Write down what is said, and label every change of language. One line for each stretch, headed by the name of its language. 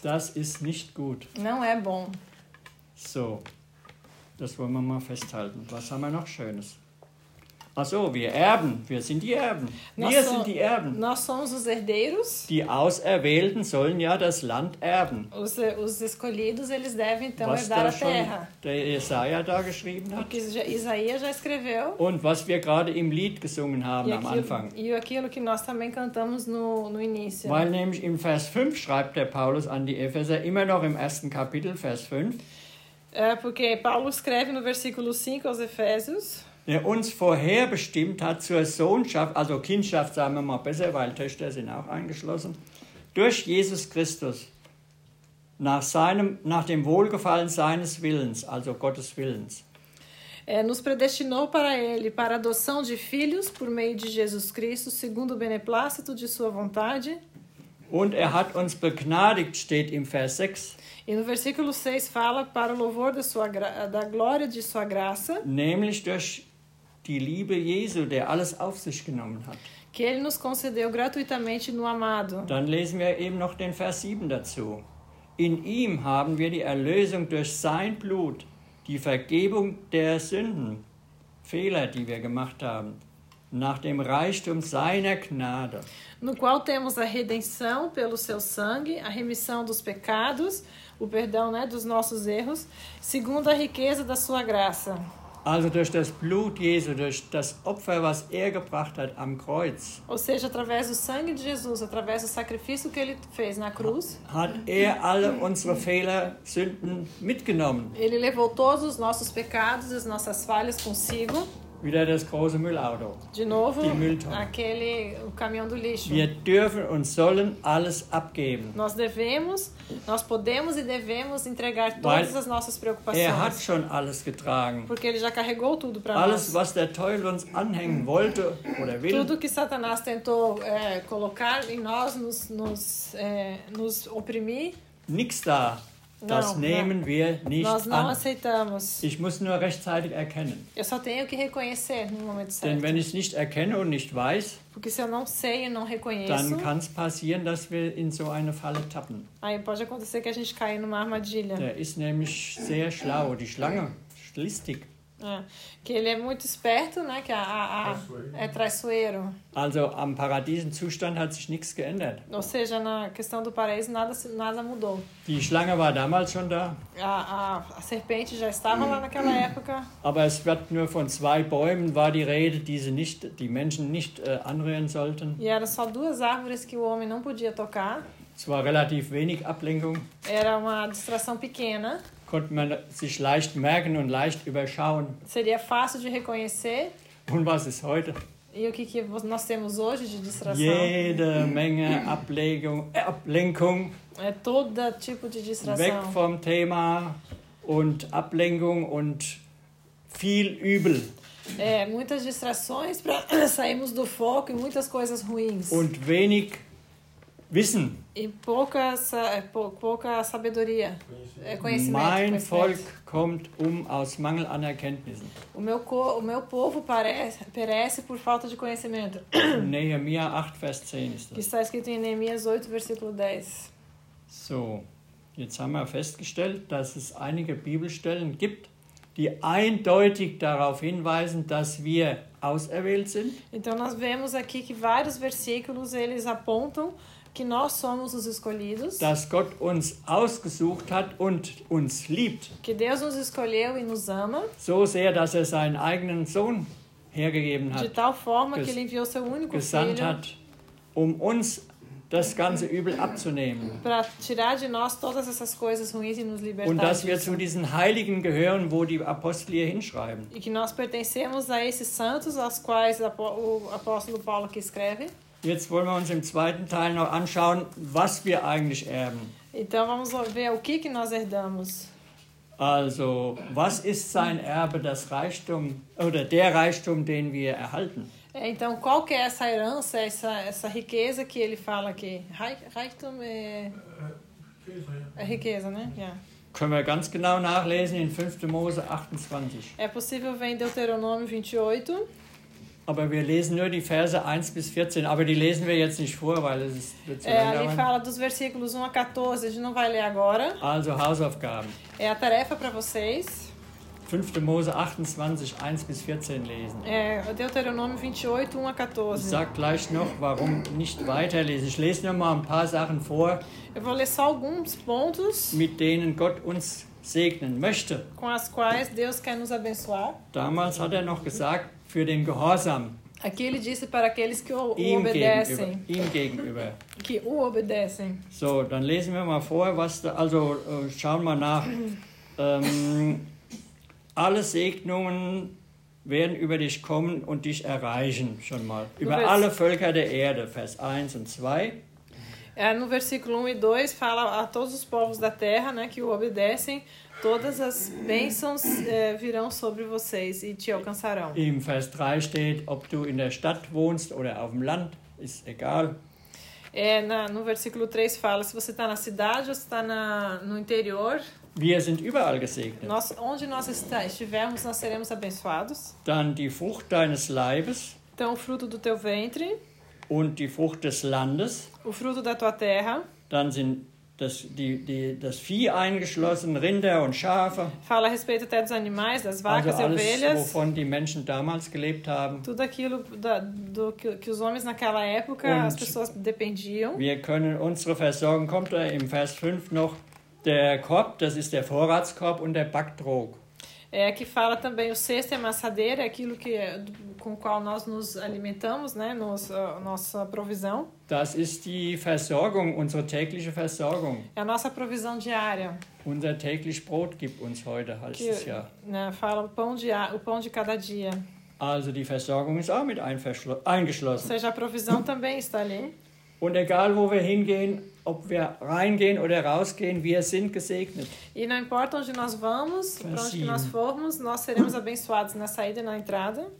German: Das ist nicht gut.
Portuguese: Não é bom.
German: So. Das wollen wir mal festhalten. Was haben wir noch Schönes? Achso, wir erben. Wir sind die Erben. Wir sind die Erben.
Portuguese: Nós somos os herdeiros.
German: Die Auserwählten sollen ja das Land erben.
Portuguese: Os escolhidos, eles devem então herdar a terra.
German: Der Jesaja da geschrieben hat.
Portuguese: O que Isaías já escreveu.
German: Und was wir gerade im Lied gesungen haben am Anfang.
Portuguese: E aquilo que nós também cantamos no início.
German: Weil nämlich im Vers 5 schreibt der Paulus an die Epheser, immer noch im ersten Kapitel, Vers 5.
Portuguese: Porque Paulo escreve no versículo 5 aos Efésios.
German: Der uns vorherbestimmt hat zur Sohnschaft, also Kindschaft, sagen wir mal besser, weil Töchter sind auch eingeschlossen, durch Jesus Christus, nach dem Wohlgefallen seines Willens, also Gottes Willens.
Portuguese: Nos predestinou para ele, para adoção de filhos, por meio de Jesus Cristo, segundo o beneplácito de sua vontade.
German: Und hat uns begnadigt, steht im Vers 6.
Portuguese: E no versículo 6 fala para o louvor da glória de sua graça.
German: Nämlich durch die Liebe Jesu, der alles auf sich genommen hat.
Portuguese: Que ele nos concedeu gratuitamente no amado.
German: Dann lesen wir eben noch den Vers 7 dazu. In ihm haben wir die Erlösung durch sein Blut, die Vergebung der Sünden, Fehler, die wir gemacht haben, nach dem Reichtum seiner Gnade.
Portuguese: No qual temos a redenção pelo seu sangue, a remissão dos pecados, o perdão, né, dos nossos erros, segundo a riqueza da sua graça.
German: Also durch das Blut Jesu, durch das Opfer, was gebracht hat am Kreuz.
Portuguese: Ou seja, através do sangue de Jesus, através do sacrifício que ele fez na cruz.
German: Hat alle unsere Fehler, Sünden mitgenommen.
Portuguese: Ele levou todos os nossos pecados, as nossas falhas consigo.
German: Wieder das große Müllauto.
Portuguese: De novo,
German: die Mülltonne.
Portuguese: Aquele, o caminhão do lixo.
German: Wir dürfen und sollen alles abgeben.
Portuguese: Nós devemos, nós podemos e devemos entregar todas as nossas preocupações.
German: Hat schon alles getragen.
Portuguese: Porque ele já carregou tudo para nós.
German: Alles, was der Teufel uns anhängen wollte oder will.
Portuguese: Tudo que Satanás tentou colocar em nós, nos oprimir.
German: Nix da. Das
Portuguese: não,
German: nehmen não. Wir nicht
Portuguese: Nós não
German: an.
Portuguese: Aceitamos.
German: Ich muss nur rechtzeitig erkennen.
Portuguese: Eu só tenho que reconhecer no momento certo.
German: Denn wenn ich es nicht erkenne und nicht weiß,
Portuguese: porque se eu não sei e não reconheço,
German: dann kann es passieren, dass wir in so eine Falle tappen.
Portuguese: Aí pode acontecer que a gente caia numa armadilha.
German: Der ist nämlich sehr schlau, die Schlange, listig.
Portuguese: Que ele é muito esperto, né? Que é traiçoeiro.
German: Also, am Paradiesenzustand hat sich nichts geändert.
Portuguese: Ou seja, na questão do paraíso, nada mudou.
German: Die Schlange war damals schon da.
Portuguese: A serpente já estava lá naquela época.
German: Aber es wird nur von zwei Bäumen war die Rede, die sie nicht, die Menschen nicht anrühren sollten.
Portuguese: E eram só duas árvores que o homem não podia tocar.
German: Es war relativ wenig Ablenkung.
Portuguese: Era uma distração pequena.
German: Konnte man sich leicht merken und leicht überschauen.
Portuguese: Seria fácil de reconhecer.
German: Und was ist heute?
Portuguese: E o que nós temos hoje de distração?
German: Jede Menge Ablenkung.
Portuguese: É todo tipo de distração.
German: Weg vom Thema und Ablenkung und viel Übel.
Portuguese: Muitas distrações para sairmos do foco e muitas coisas ruins.
German: Und wenig Wissen.
Portuguese: E pouca sabedoria. Conhecimento.
German: Mein Volk kommt aus Mangel an Erkenntnissen.
Portuguese: O meu povo perece por falta de conhecimento.
German: Neemias 8, Vers 10 ist das.
Portuguese: Que está escrito em Neemias 8, versículo 10.
German: So, jetzt haben wir festgestellt, dass es einige Bibelstellen gibt, die eindeutig darauf hinweisen, dass wir auserwählt sind.
Portuguese: Então nós vemos aqui que vários versículos eles apontam que nós somos os escolhidos.
German: Dass Gott uns ausgesucht hat und uns liebt.
Portuguese: Que Deus nos escolheu e nos ama.
German: So sehr, dass er seinen eigenen Sohn hergegeben hat.
Portuguese: De tal forma que ele enviou seu único
German: gesandt
Portuguese: filho.
German: Hat, uns das ganze Übel abzunehmen.
Portuguese: Para tirar de nós todas essas coisas ruins e nos libertar.
German: Und dass
Portuguese: disso.
German: Wir zu diesen Heiligen gehören, wo die Apostel hier hinschreiben.
Portuguese: E que nós pertencemos a esses santos aos quais o apóstolo Paulo que escreve.
German: Jetzt wollen wir uns im zweiten Teil noch anschauen, was wir eigentlich erben.
Portuguese: Então vamos ver o que nós herdamos.
German: Also, was ist sein Erbe, das Reichtum oder der Reichtum, den wir erhalten?
Portuguese: Então qual que é essa herança, essa riqueza que ele fala aqui? Reichtum é...
German: Genau,
Portuguese: A riqueza, né? Yeah.
German: Können wir ganz genau nachlesen in 5. Mose 28.
Portuguese: É possível ver em Deuteronômio 28.
German: Aber wir lesen nur die Verse 1 bis 14, aber die lesen wir jetzt nicht vor, weil es ist, wird zu lang dauern.
Portuguese: Ali fala dos versículos 1 a 14, a gente não vai ler agora.
German: Also Hausaufgaben.
Portuguese: É a tarefa para vocês.
German: 5. Mose 28, 1 bis 14 lesen.
Portuguese: É, Deuteronômio 28, 1 a 14.
German: Ich sag gleich noch, warum nicht weiterlesen. Ich lese nur mal ein paar Sachen vor.
Portuguese: Eu vou ler só alguns pontos.
German: Mit denen Gott uns segnen möchte.
Portuguese: Com as quais Deus quer nos abençoar.
German: Damals hat er noch gesagt, für den Gehorsam.
Portuguese: Aqui ele disse para aqueles que o obedecem.
German: Ihm gegenüber.
Portuguese: Que o obedecem.
German: So, dann lesen wir mal vor, was da, also schauen wir nach. Alle Segnungen werden über dich kommen und dich erreichen, schon mal. Über alle Völker der Erde, Vers 1 und 2.
Portuguese: É, no versículo 1 e 2 fala a todos os povos da terra, né, que o obedecem, todas as bênçãos virão sobre vocês e te alcançarão.
German: Im Vers 3 steht, ob du in der Stadt wohnst oder auf dem Land, ist egal.
Portuguese: É, no versículo 3 fala, se você está na cidade ou se está no interior.
German: Wir sind überall gesegnet.
Portuguese: Onde nós estivermos, nós seremos abençoados.
German: Dann die Frucht deines Leibes.
Portuguese: Então, o fruto do teu ventre.
German: Und die Frucht des Landes.
Portuguese: O fruto da tua terra.
German: Dann sind das Vieh eingeschlossen, Rinder und Schafe.
Portuguese: Fala a respeito até dos animais, das vacas
German: also alles,
Portuguese: e ovelhas.
German: Wovon die Menschen damals gelebt haben.
Portuguese: Tudo aquilo que os homens naquela época, und as pessoas dependiam.
German: Wir können unsere Versorgung, kommt da im Vers 5 noch, der Korb, das ist der Vorratskorb und der Backtrog.
Portuguese: É, aqui fala também o cesto e a amassadeira, aquilo que, com o qual nós nos alimentamos, né, nossa provisão.
German: Das ist die Versorgung, unsere tägliche Versorgung.
Portuguese: É a nossa provisão diária.
German: Unser täglich Brot gibt uns heute, heißt es ja.
Portuguese: Né, fala o pão de cada dia.
German: Also die Versorgung ist auch mit eingeschlossen.
Portuguese: Ou seja, a provisão também está ali.
German: Und egal wo wir hingehen, ob wir reingehen oder rausgehen, wir sind gesegnet.
Portuguese: E não importa onde nós vamos, para onde que nós formos, nós seremos abençoados na saída e na entrada.